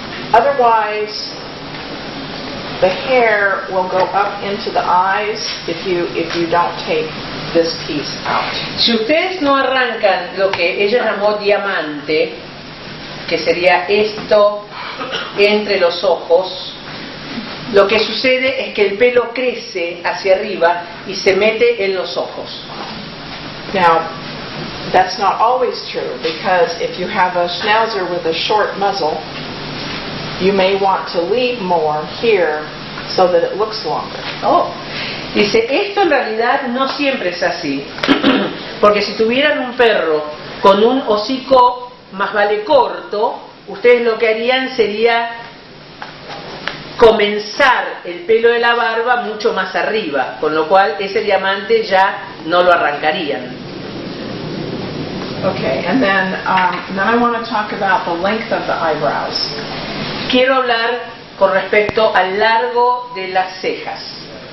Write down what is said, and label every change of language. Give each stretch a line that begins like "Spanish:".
English: Otherwise, the hair will go up into the eyes if you don't take this piece out.
Spanish: Si ustedes no arrancan lo que ella llamó diamante, que sería esto entre los ojos, lo que sucede es que el pelo crece hacia arriba y se mete en los ojos.
English: Now, that's not always true, because if you have a schnauzer with a short muzzle, you may want to leave more here so that it looks longer. Oh.
Spanish: Dice, esto en realidad no siempre es así. Porque si tuvieran un perro con un hocico más vale corto, ustedes lo que harían sería comenzar el pelo de la barba mucho más arriba, con lo cual ese diamante ya no lo arrancarían.
English: Okay, and then I want to talk about the length of the eyebrows.
Spanish: Quiero hablar con respecto al largo de las cejas.